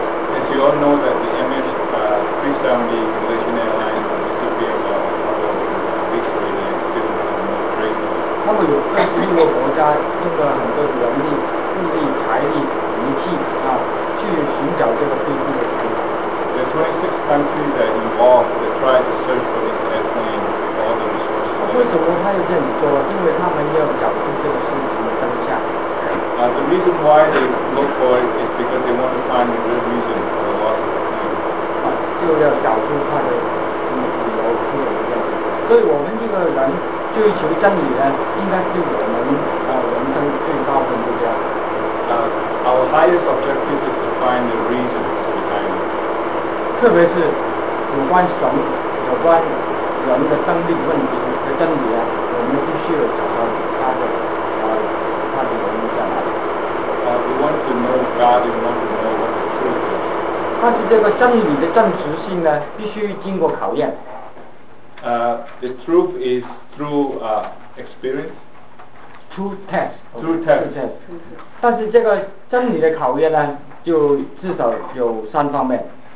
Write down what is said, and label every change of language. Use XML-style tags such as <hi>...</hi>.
<en>As you all know that the MH370 Malaysian Airlines should be about a week or two to operate.</en> <zh>他们有26个国家用了很多人力、物力、财力、仪器啊，去寻找这个飞机的。</zh> <en>The 26 countries that involved that tried to search for this airplane with all the resources.</en> <zh>为什么他要这样做？因为他们要找出这个事情的真相。</zh> <en>The reason why they look for it is because they want to find the real reason for the loss of the plane.</en> <zh>就要找出他的理由是怎么样。所以我们这个人追求真理呢，应该是我们人生最高的目标。</zh> <en>Our highest objective is to find the reason.</en> <zh>特别是有关神、有关人的生命问题的真理啊，我们必须要找到他的他的原因在哪里。</zh> <en>We want to know God, we want to know what the truth is.</en> <zh>但是这个真理的真实性呢，必须经过考验。</zh> <en>The truth is through experience. Through test.</en> <zh>但是这个真理的考验呢，就至少有三方面。</zh>